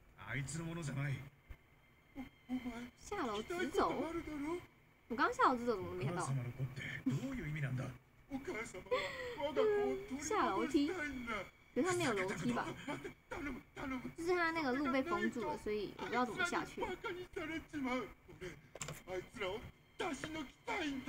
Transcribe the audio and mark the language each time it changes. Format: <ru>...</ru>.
<ja>あいつのものじゃない。</ja> <zh>下楼直走。我刚刚下楼直走，怎么没看到？</zh> <ja>お母様の子ってどういう意味なんだ？お母様、我が子を取り戻したいんだ。</ja> <zh>下楼梯。可是他没有楼梯吧？就是他那个路被封住了，所以我不知道怎么下去。</zh> <ja>バカにされちまう。あいつらを出し抜きたいんだ。</ja>